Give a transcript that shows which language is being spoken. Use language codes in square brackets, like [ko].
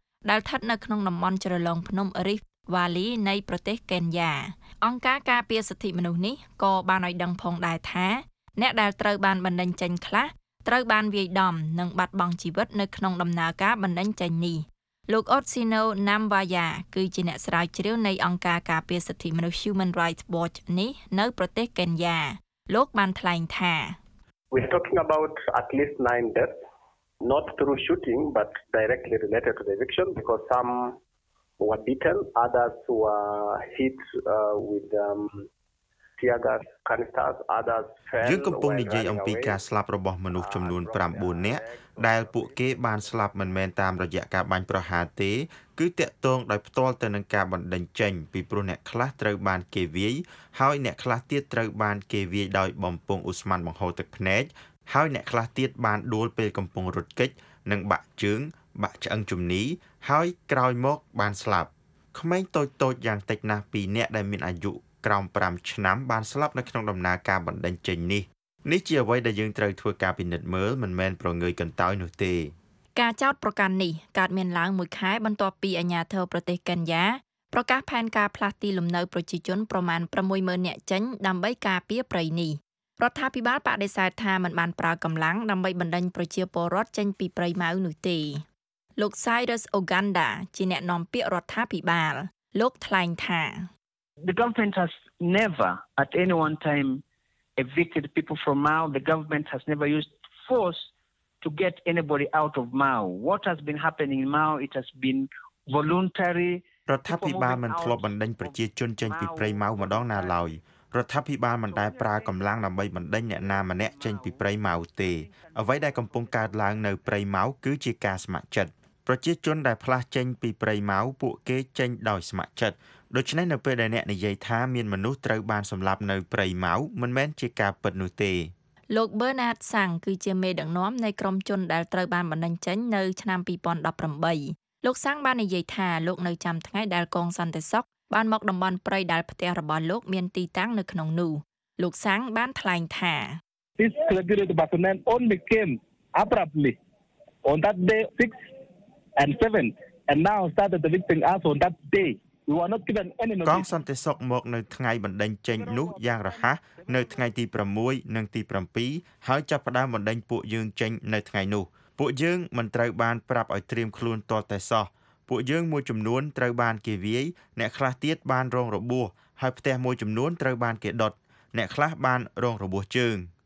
[km] ដែលស្ថិតនៅក្នុងតំបន់ជ្រលងភ្នំ Rift Valley នៃប្រទេសកេនយ៉ាអង្គការការពារសិទ្ធិមនុស្សនេះក៏បានឲ្យដឹងផងដែរថាអ្នកដែលត្រូវបានបណ្តេញចេញខ្លះត្រូវបានវាយដំនិងបាត់បង់ជីវិតនៅក្នុងដំណើរការបណ្តេញចេញនេះលោកអូតស៊ីណូណាំវ៉ាយ៉ាគឺជាអ្នកស្រាវជ្រាវនៃអង្គការការពារសិទ្ធិមនុស្ស Human Rights Watch នេះនៅប្រទេសកេនយ៉ាលោកបានថ្លែងថា [en] We're talking about at least 9 deaths not through shooting but directly related to the eviction because somewere beaten, others were hit with [km] យើងកំពុងនិយាយអំពី ការស្លាប់របស់មនុស្សចំនួន9នាក់ដែលពួកគេបានស្លាប់មិនមែនតាមរយៈការបាញ់ប្រហារទេគឺតាក់ទងដោយផ្ទាល់ទៅនឹងការបណ្តេញចេញពីព្រោះអ្នកខ្លះត្រូវបានគេវាយហើយអ្នកខ្លះទៀតត្រូវបានគេវាយដោយបំពង់អ៊ូស្មានបង្ហូរទឹកភ្នែកហើយអ្នកខ្លះទៀតបានដួលពេលកំពុងរត់គេចនិងបាក់ជើងបាក់ឆ្អឹងជំនីហើយក្រោយមកបានស្លាប់ ក្មេងតូចៗយ៉ាងតិចណាស់2នាក់ដែលមានអាយុក្រោម5ឆ្នាំបានស្លាប់នៅក្នុងដំណើរការបណ្តេញចេញនេះនេះជាអ្វីដែលយើងត្រូវធ្វើការពិនិត្យមើលមិនមែនប្រងើយកន្តើយនោះទេ ការចោទប្រកាន់នេះកើតមានឡើង1ខែបន្ទាប់ពីអាញាធិបតេយ្យប្រទេសកេនយ៉ាប្រកាសផែនការផ្លាស់ទីលំនៅប្រជាជនប្រមាណ 60,000 នាក់ចេញដើម្បីការពារប្រៃនេះរដ្ឋាភិបាលបដិសេធថាមិនបានប្រើកម្លាំងដើម្បីបណ្តេញប្រជាពលរដ្ឋចេញពីប្រៃម៉ៅនោះទេលោក Cyrus Oganda ជាអ្នកនាំពាក្យរដ្ឋាភិបាលលោកថ្លែងថា [en] The government has never at any one time evicted people from Mau. The government has never used force to get anybody out of Mau. What has been happening in Mau, it has been voluntary. [km] រដ្ឋាភិបាលមិនធ្លាប់បណ្តេញប្រជាជនចេញពីព្រៃ Mau ម្ដងណាឡើយ។រដ្ឋាភិបាលមិនដែលប្រើកម្លាំងដើម្បីបណ្តេញអ្នកណាម្នាក់ចេញពីព្រៃ Mau ទេ។អ្វីដែលកំពុងកើតឡើងនៅព្រៃ Mau គឺជាការស្ម័គ្រចិត្ត។ប្រជាជនដែលផ្លាស់ចេញពីព្រៃ Mau ពួកគេចេញដោយស្ម័គ្រចិត្ត។ដូច្នេះនៅពេលដែលអ្នកនិយាយថាមានមនុស្សត្រូវបានសម្លាប់នៅព្រៃ Mau មិនមែនជាការពិតនោះទេ ។លោក Bernard Sang គឺជាមេដឹកនាំនៃក្រុមជនដែលត្រូវបានបណ្តេញចេញនៅឆ្នាំ2018លោក Sang បាននិយាយថាលោកនៅចាំថ្ងៃដែលកងសន្តិសុខបានមកតំបន់ព្រៃដែលផ្ទះរបស់លោកមានទីតាំងនៅក្នុងនោះលោក Sang បានថ្លែងថា [en] This regular department on the came abruptly on that day 6 and 7 and now started the victim us on that day [km] កងសន្តិសុខមកនៅថ្ងៃបណ្តេញចេញនោះយ៉ាងរហ័សនៅថ្ងៃទី6និងទី7ហើយចាប់ផ្ដើមបណ្តេញពួកយើងចេញនៅថ្ងៃនោះពួកយើងមិនត្រូវបានប្រាប់ឲ្យត្រៀមខ្លួនទាល់តែសោះពួកយើងមួយចំនួនត្រូវបានគេវាយអ្នកខ្លះទៀតបានរងរបួសហើយផ្ទះមួយចំនួនត្រូវបានគេដុតអ្នកខ្លះបានរងរបួសជើង